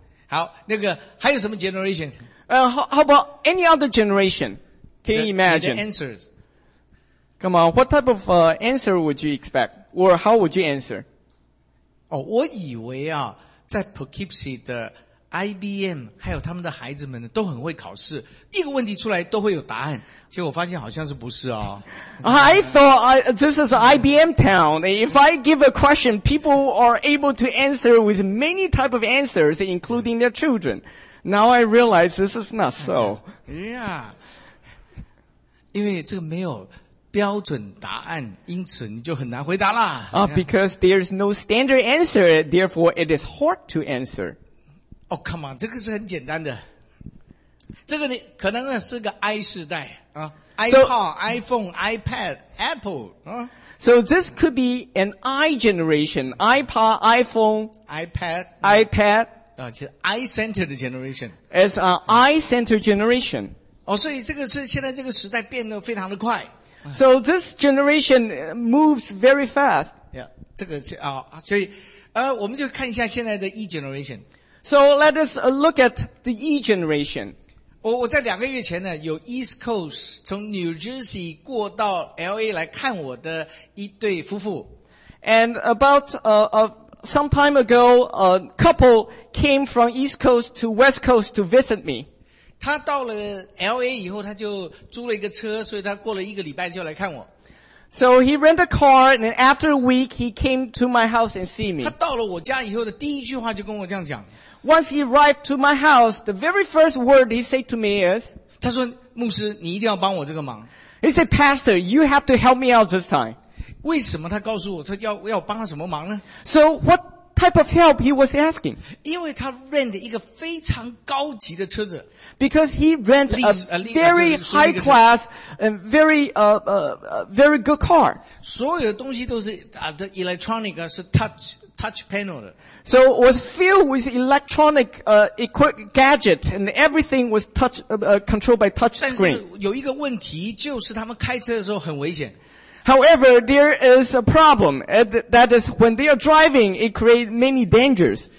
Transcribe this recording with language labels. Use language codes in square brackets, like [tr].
[zh] 好那个还有什么 generation? [en] How about any other generation? Can you imagine? The answers. Come on, what type of answer would you expect? Or how would you answer? [zh] Oh, 我以为啊，在 Poughkeepsie 的 IBM 还有他们的孩子们呢，都很会考试，一个问题出来都会有答案。结果发现好像是不是哦。 [en] I thought this is IBM town. If I give a question, people are able to answer with many type of answers, including their children. Now I realize this is not so. Yeah. [zh] 因为这个没有标准答案，因此你就很难回答啦。 [en] Because there is no standard answer, therefore it is hard to answer. Oh, come on, [zh] 这个是很简单的。这个你可能是个 i 世代啊。 [en] iPod, iPhone, iPad, Apple, So this could be an i generation, iPod, iPhone, iPad, iPad. [zh] 是 eye-centered generation. [en] It's an eye-centered generation. [zh] 所以这个是现在这个时代变得非常的快。 [en] So this generation moves very fast. [zh] Yeah, 这个是所以我们就看一下现在的 e-generation. [en] So let us look at the e-generation. [zh] 我在两个月前呢，有 East Coast 从 New Jersey 过到 LA 来看我的一对夫妇。 [en] And about some time ago, a couple came from East Coast to West Coast to visit me. [zh] 他到了 LA 以后，他就租了一个车，所以他过了一个礼拜就来看我。 [en] So he rented a car, and after a week, he came to my house and see me. [zh] 他到了我家以后的第一句话就跟我这样讲。 [en] Once he arrived to my house, the very first word he said to me is, [zh] 他说，牧师，你一定要帮我这个忙。 [en] He said, Pastor, you have to help me out this time. [zh] 为什么他告诉我他要帮他什么忙呢? [en] So what type of help he was asking? [zh] 因为他 rent 一个非常高级的车子。 [en] Because he rent a very high class and very, very good car. [zh] 所有的东西都是the electronic 是 touch panel 的。 [en] So it was filled with electronic, gadget and everything was controlled by touch screen. [zh] 但是有一个问题就是他们开车的时候很危险。 [en] However, there is a problem. That is, when they are driving, it creates many dangers.